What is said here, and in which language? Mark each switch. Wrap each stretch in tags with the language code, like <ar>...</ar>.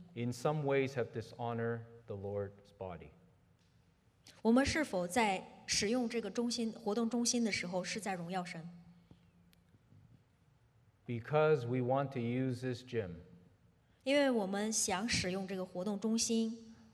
<en>In some ways have dishonored the Lord's body.</en> <zh>我们是否在使用这个中心，活动中心的时候，是在荣耀神？</zh> <en>Because we want to use this gym.</en> <zh>因为我们想使用这个活动中心。</zh>